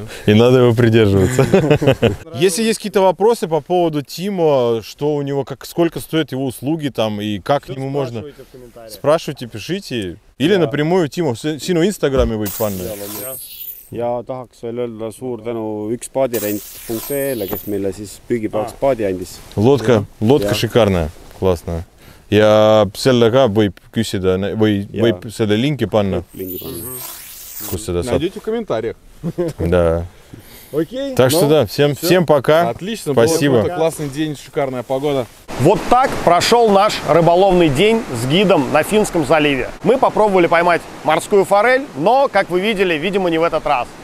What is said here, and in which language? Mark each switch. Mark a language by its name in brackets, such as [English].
[Russian] И надо его придерживаться. Если есть какие-то вопросы по поводу Тима, что у него, как, сколько стоят его услуги там и как к нему можно... Спрашивайте, пишите. Или напрямую Тиму. Сину инстаграме будет панель. [Estonian] Ja tahaks veel öelda suur tänu ükspaadirent.ee-le, kes meile siis püügipaaks paadi andis. [Russian] Lotka, lotka šikarne, klasne. [Estonian] Ja selle ka võib küsida, või võib selle linki panna. Linki panna. Kus seda saab? [Russian] Найдете в комментариях. Да. Окей. Так что да, всем пока. Отлично, спасибо. Классный день, шикарная погода. Вот так прошел наш рыболовный день с гидом на Финском заливе. Мы попробовали поймать морскую форель, но, как вы видели, видимо, не в этот раз.